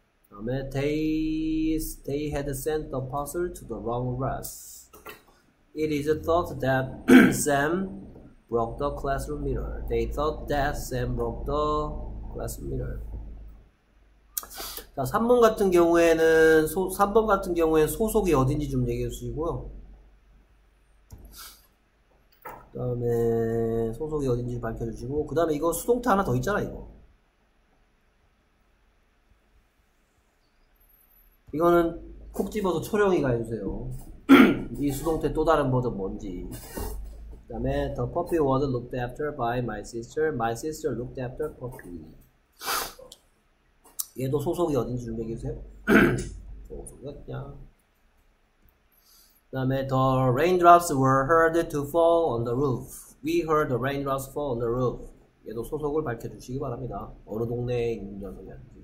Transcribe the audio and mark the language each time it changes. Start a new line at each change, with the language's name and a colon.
Korean: 다음에
English: they had sent the parcel to the wrong address. It is thought that Sam broke the classroom mirror. They thought that Sam broke the classroom mirror.
Korean: 자, 3번 같은 경우에는 3번 같은 경우에 소속이 어딘지 좀 얘기해 주시고요. 그다음에 소속이 어딘지 밝혀 주시고, 그다음에 이거 수동태 하나 더 있잖아, 이거. 이거는 콕 집어서 초령이 가주세요. 이 수동태 또 다른 버전 뭔지. 그다음에
English: the puppy was looked after by my sister. My sister looked after puppy.
Korean: 얘도 소속이 어딘지 준비해주세요. 소속이 어디냐? 그다음에
English: the raindrops were heard to fall on the roof. We heard the raindrops fall on the roof.
Korean: 얘도 소속을 밝혀주시기 바랍니다. 어느 동네에 있는 녀석이야?